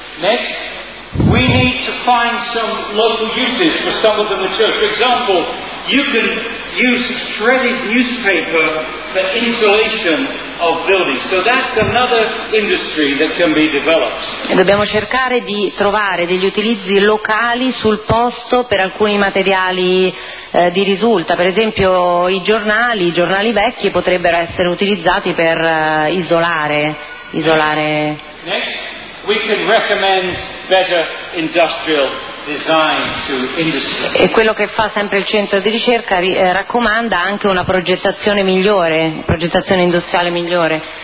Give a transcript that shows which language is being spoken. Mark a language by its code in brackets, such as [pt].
[en] Next, we need to find some local uses for some of the materials. For example, you can use shredded newspaper for insulation of buildings. So that's another industry that can be developed. [it] E dobbiamo cercare di trovare degli utilizzi locali sul posto per alcuni materiali di risulta. Per esempio i giornali vecchi potrebbero essere utilizzati per isolare. [en] Next, we can recommend better industrial design to industry. [it] E quello che fa sempre il centro di ricerca raccomanda anche una progettazione industriale migliore.